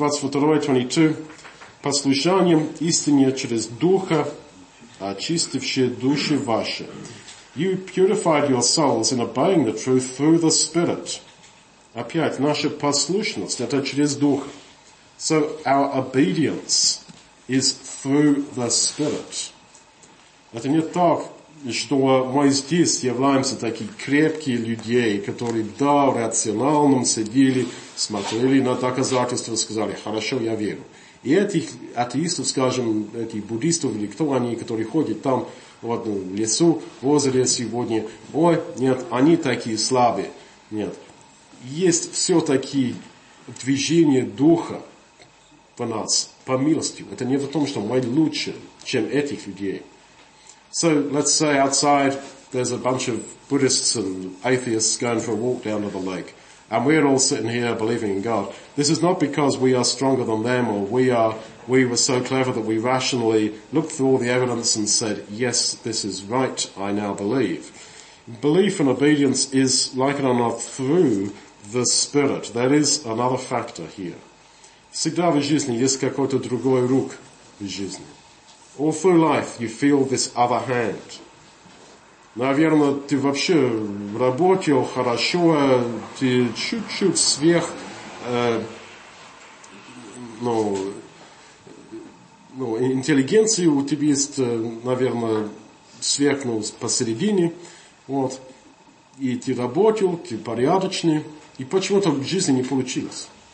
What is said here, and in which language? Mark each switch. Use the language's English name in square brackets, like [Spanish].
[Russian] 22, послушанием истине через Духа, очистившие души ваши. [English] You purified your souls in obeying the truth through the Spirit. [Russian] Опять, наша послушность, это через Духа. [English] So our obedience is through the Spirit. [Russian] Это не так, что мы здесь являемся такие крепкие люди, которые, да, в рациональном сидели, смотрели на доказательства и сказали, хорошо, я верю. И этих атеистов, скажем, этих буддистов, или кто они, которые ходят там, в одну лесу, в озере сегодня, ой, нет, они такие слабые. Нет. Есть все-таки движение Духа по нас, по милости. Это не в том, что мы лучше, чем этих людей. [English] So let's say outside there's a bunch of Buddhists and atheists going for a walk down to the lake, and we're all sitting here believing in God. This is not because we are stronger than them, or we were so clever that we rationally looked through all the evidence and said, yes, this is right, I now believe. Belief and obedience is, like it or not, through the Spirit. There is another factor here. [Russian] Всегда в жизни есть какой-то другой рук в жизни. [English] All through life, you feel this other hand. [Russian] Наверное, ты вообще работал хорошо, ты чуть-чуть сверх, интеллигенции у тебя есть, наверное, сверкнул посередине, вот, и ты работал, ты порядочный, и почему-то в жизни не получилось.